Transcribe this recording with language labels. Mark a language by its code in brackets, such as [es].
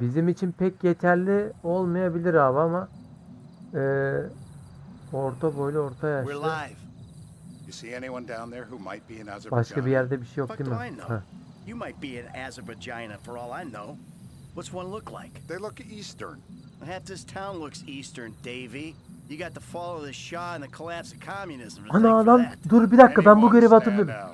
[tr] Bizim için pek yeterli olmayabilir abi ama orta boylu, orta yaşlı. [en] We're live. You see anyone down there who might be in Azerbaijan? [tr] Başka bir yerde bir şey yok değil mi? [en] You might be in Azerbaijan for all I know. What's one look like? They look eastern. Half this town looks eastern, Davey. You got the fall of the Shah and the collapse of communism. [tr] Ana adam, dur bir dakika, ben bu görevi hatırlıyorum.